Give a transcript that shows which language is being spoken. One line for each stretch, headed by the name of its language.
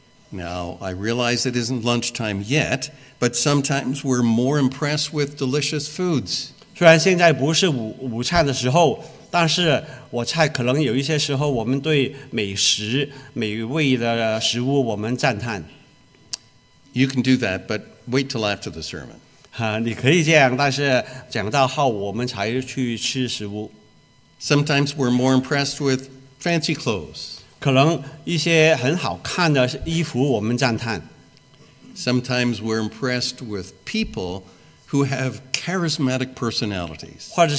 English: Now, I realize it isn't lunchtime yet, but sometimes we're more impressed with delicious foods.
Chinese: 虽然现在不是午餐的时候, 但是我猜可能有一些时候我们对美食美味的食物我们赞叹。
English: You can do that, but wait till after the sermon.
Chinese: 你可以这样, 但是讲到后我们才去吃食物。
English: Sometimes we're more impressed with fancy clothes.
Chinese: 可能一些很好看的衣服我们赞叹。
English: Sometimes we're impressed with people who have charismatic personalities.